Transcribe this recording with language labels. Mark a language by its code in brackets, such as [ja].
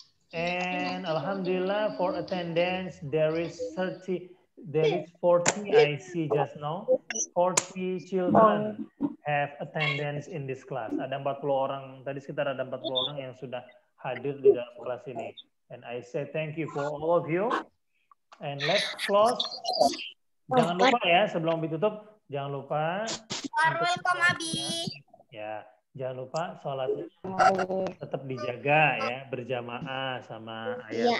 [en] And alhamdulillah for attendance there is 40, I see just now. 40 children have attendance in this class. [id] Ada 40 orang, tadi sekitar ada 40 orang yang sudah hadir di dalam kelas ini. [en] And I say thank you for all of you. And let's close. [id] Jangan lupa ya, sebelum ditutup, jangan lupa. Waalaikumsalam, Abi. Ya, jangan lupa sholat tetap dijaga ya, berjamaah sama ayah.